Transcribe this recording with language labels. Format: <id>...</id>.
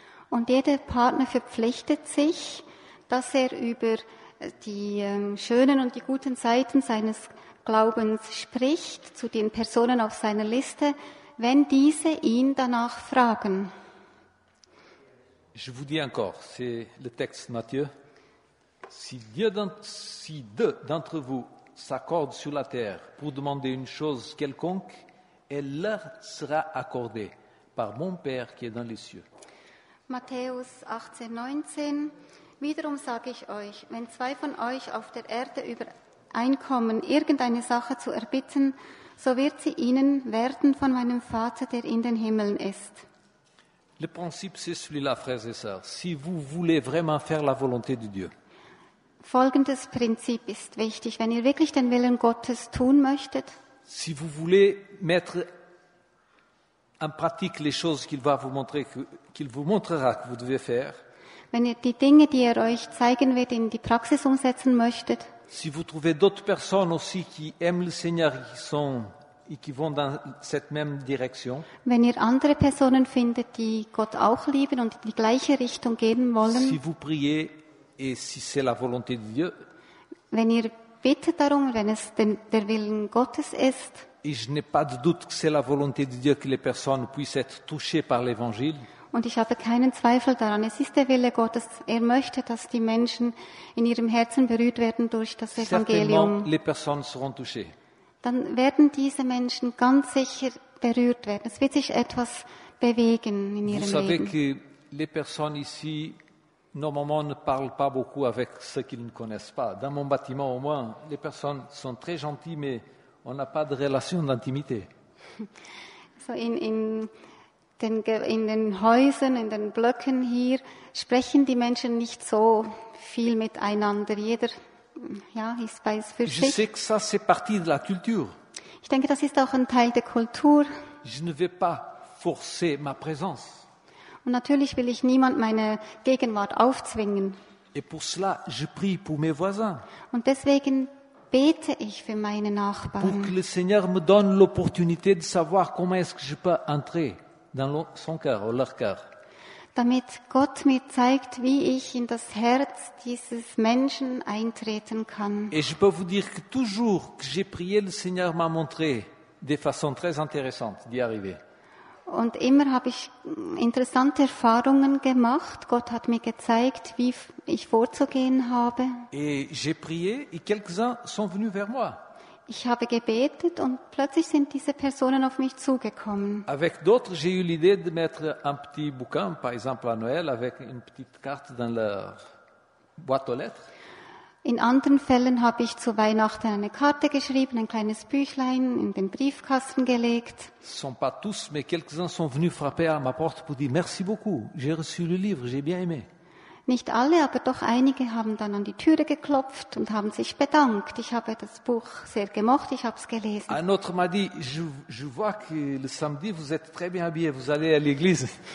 <de>Und jeder Partner verpflichtet sich, dass er über die schönen und die guten Seiten seines Glaubens spricht zu den Personen auf seiner Liste, wenn diese ihn danach fragen.</de> <fr>Je vous dis encore, c'est le texte de Matthieu. Si deux d'entre vous s'accordent sur la terre pour demander une chose quelconque, elle leur sera accordée par mon Père qui est dans les cieux.</fr> <de>Matthäus 18, 19. Wiederum sage ich euch, wenn zwei von euch auf der Erde übereinkommen, irgendeine Sache zu erbitten, so wird sie ihnen werden von meinem Vater, der in den Himmeln ist.</de> <fr>Le principe, c'est celui-là, frères et sœurs. Si vous voulez vraiment faire la volonté de Dieu.</fr> <de>Folgendes Prinzip ist wichtig, wenn ihr wirklich den Willen Gottes tun möchtet.</de> <fr>Si vous voulez mettre en pratique les choses qu'il va vous montrer, qu'il vous montrera que vous devez faire.</fr> <de>Wenn ihr die Dinge, die er euch zeigen wird, in die Praxis umsetzen möchtet.</de> <fr>Si vous trouvez d'autres personnes aussi qui aiment le Seigneur et qui vont dans cette même direction.</fr> <de>Wenn ihr andere Personen findet, die Gott auch lieben und in die gleiche Richtung gehen wollen.</de> <fr>Si vous priez et si c'est la volonté de Dieu.</fr> <de>Wenn ihr bittet darum, wenn es der Willen Gottes ist.</de> <fr>Et je n'ai pas de doute que c'est la volonté de Dieu que les personnes puissent être touchées par l'Évangile.</fr> <de>Und ich habe keinen Zweifel daran, es ist der Wille Gottes, er möchte, dass die Menschen in ihrem Herzen berührt werden durch das Evangelium.</de> <fr>Les personnes seront touchées.</fr> <de>Dann werden diese Menschen ganz sicher berührt werden. Es wird sich etwas bewegen in ihrem</de> <fr>Vous savez</fr> <de>Leben.</de> <fr>Que les personnes ici, normalement, ne parlent pas beaucoup avec ceux qu'ils ne connaissent pas. Dans mon bâtiment, au moins, les personnes sont très gentilles, mais on n'a pas de relation d'intimité.</fr> <de>So in den Häusern, in den Blöcken hier, sprechen die Menschen nicht so viel miteinander. Jeder, ja, ist bei sich.</de> <fr>Je sais que ça, c'est partie de la culture.</fr> <de>Ich denke, das ist auch ein Teil der Kultur.</de> <fr>Je ne vais pas forcer ma présence.</fr> <de>Und natürlich will ich niemand meine Gegenwart aufzwingen.</de> <fr>Et pour cela, je prie pour mes voisins.</fr> <de>Und deswegen bete ich für meine Nachbarn.</de> <fr>Pour que le Seigneur me donne l'opportunité de savoir comment est-ce que je peux entrer. Dans son cœur, ou leur cœur.</fr> <de>Damit Gott mir zeigt, wie ich in das Herz dieses Menschen eintreten kann.</de> <fr>Et je peux vous dire que toujours que j'ai prié, le Seigneur m'a montré des façons très intéressantes d'y arriver.</fr> <de>Und immer habe ich interessante Erfahrungen gemacht. Gott hat mir gezeigt, wie ich vorzugehen habe.</de> <fr>Et j'ai prié et quelques-uns sont venus vers moi.</fr> <de>Ich habe gebetet und plötzlich sind diese Personen auf mich zugekommen.</de> <fr>Avec d'autres, j'ai eu l'idée de mettre un petit bouquin, par exemple à Noël, avec une petite carte dans leur boîte aux lettres.</fr> <de>In anderen Fällen habe ich zu Weihnachten eine Karte geschrieben, ein kleines Büchlein in den Briefkasten gelegt.</de> <fr>Ce sont pas tous, mais quelques-uns sont venus frapper à ma porte pour dire merci beaucoup, j'ai reçu le livre, j'ai bien aimé.</fr> <de>Nicht alle, aber doch einige haben dann an die Türe geklopft und haben sich bedankt. Ich habe das Buch sehr gemocht, ich habe es gelesen.</de> <fr>Un autre m'a dit, je vois que le samedi vous êtes très bien habillé, vous allez à l'église.</fr>